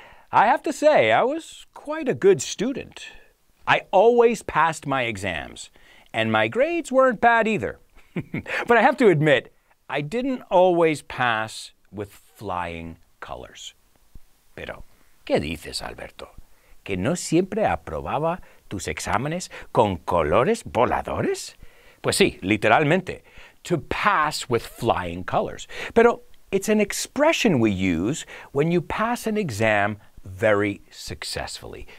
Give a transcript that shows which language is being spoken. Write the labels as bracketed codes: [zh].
[en] I have to say, I was quite a good student. I always passed my exams, and my grades weren't bad either. But I have to admit, I didn't always pass with flying colors. [es] Pero, ¿qué dices, Alberto? ¿Que no siempre aprobaba tus exámenes con colores voladores? Pues sí, literalmente, [en] to pass with flying colors. [es] Pero [en] it's an expression we use when you pass an exam very successfully.